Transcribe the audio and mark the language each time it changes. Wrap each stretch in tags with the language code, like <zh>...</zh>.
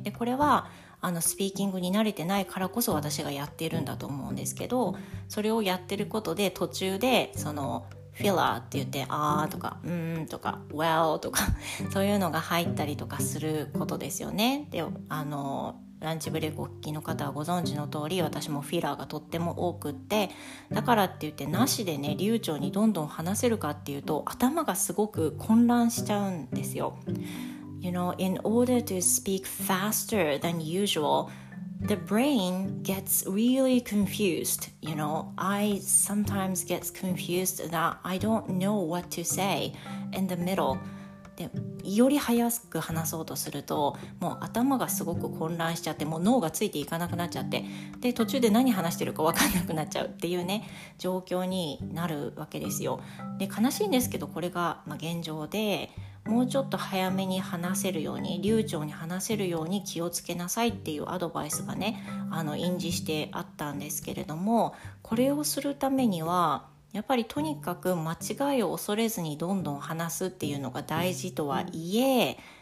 <ja>で、これはあのスピーキングに慣れてないからこそ私がやっているんだと思うんですけど、それをやってることで途中でそのフィラーって言って、あーとか、うーんとか、well とか、そういうのが入ったりとかすることですよね。で、あのランチブレイクお聞きの方はご存知の通り、私もフィラーがとっても多くって、だからって言ってなしでね、流暢にどんどん話せるかっていうと、頭がすごく混乱しちゃうんですよ。</ja> <en>You know, in order to speak faster than usual, the brain gets really confused. You know, I sometimes get confused that I don't know what to say in the middle.</en> <ja>で、より早く話そうとすると、もう頭がすごく混乱しちゃって、もう脳がついていかなくなっちゃって、で、途中で何話してるか分かんなくなっちゃうっていうね、状況になるわけですよ。で、悲しいんですけど、これが、現状で、もうちょっと早めに話せるように、流暢に話せるように気をつけなさいっていうアドバイスがね、あの印字してあったんですけれども、これをするためにはやっぱりとにかく間違いを恐れずにどんどん話すっていうのが大事とはいえ、</ja>